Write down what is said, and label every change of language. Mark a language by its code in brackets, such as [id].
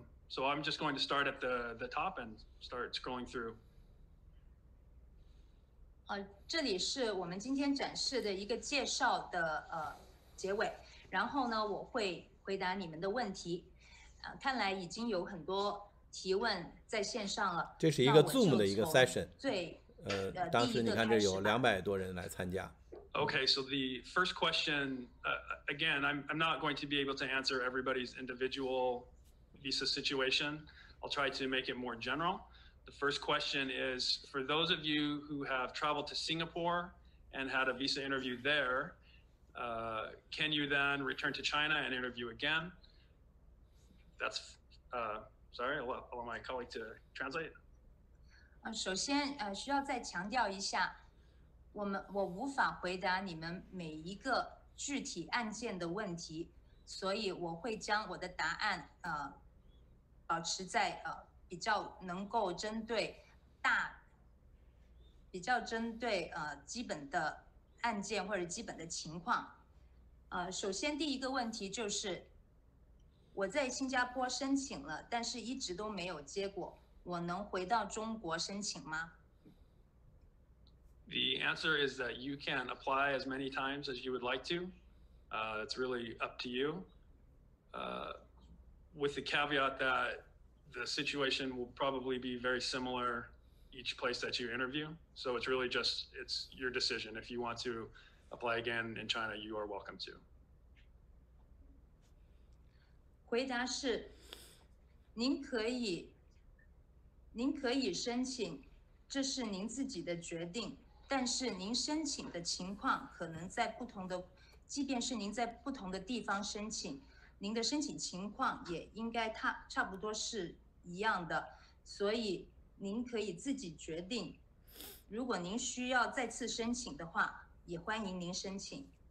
[en] So I'm just going to start at the top and start scrolling through. [zh] 这里是我们今天展示的一个介绍的结尾。然后呢，我会回答你们的问题。看来已经有很多提问在线上了。这是一个 Zoom 的一个 session。最当时你看，这有200多人来参加。 [en] Okay, so the first question, again, I'm not going to be able to answer everybody's individual visa situation. I'll try to make it more general. The first question is, for those of you who have traveled to Singapore and had a visa interview there, can you then return to China and interview again? That's, sorry, allow my colleague to translate. [zh] 首先，需要再强调一下，我无法回答你们每一个具体案件的问题，所以我会将我的答案，保持在比较能够针对比较针对基本的案件或者基本的情况。首先第一个问题就是，我在新加坡申请了，但是一直都没有结果。我能回到中国申请吗？ [en] The answer is that you can apply as many times as you would like to. It's really up to you. With the caveat that the situation will probably be very similar each place that you interview. So it's really just, it's your decision. If you want to apply again in China, you are welcome to. [zh] 回答是，您可以申请，这是您自己的决定，但是您申请的情况可能在不同的，即便是您在不同的地方申请，您的申请情况也应该差不多是一样的，所以您可以自己决定，如果您需要再次申请的话，也欢迎您申请。